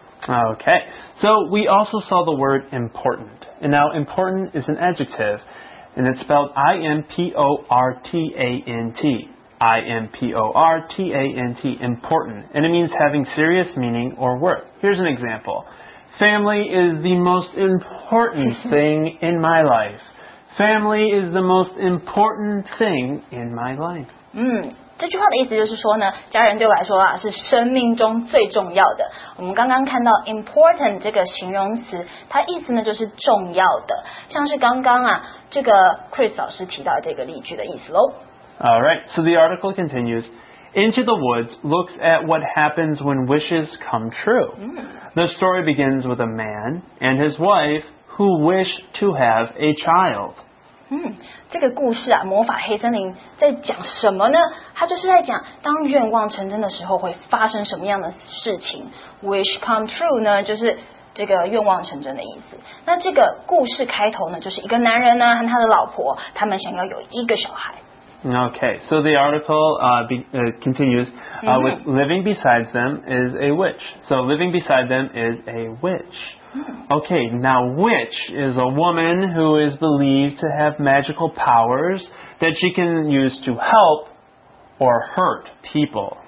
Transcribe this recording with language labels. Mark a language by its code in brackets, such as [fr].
[en] Okay, so we also saw the word important and now important is an adjective and it's spelled I-M-P-O-R-T-A-N-T I-M-P-O-R-T-A-N-T, important. And it means having serious meaning or worth. Here's an example. Family is the most important thing in my life. Family is the most important thing in my life. 嗯， [zh] 这句话的意思就是说呢，家人对我来说啊是生命中最重要的。我们刚刚看到 important 这个形容词，它意思呢就是重要的，像是刚刚啊这个 Chris 老师提到这个例句的意思咯。 [en] Alright, so the article continues. Into the Woods looks at what happens when wishes come true. The story begins with a man and his wife who wish to have a child. [zh] 这个故事啊，魔法黑森林在讲什么呢？它就是在讲当愿望成真的时候会发生什么样的事情。 Wish come true 呢，就是这个愿望成真的意思。那这个故事开头呢，就是一个男人呢和他的老婆，他们想要有一个小孩。 [en] Okay, so the article continues with living beside them is a witch. So living beside them is a witch. Okay, now witch is a woman who is believed to have magical powers that she can use to help or hurt people.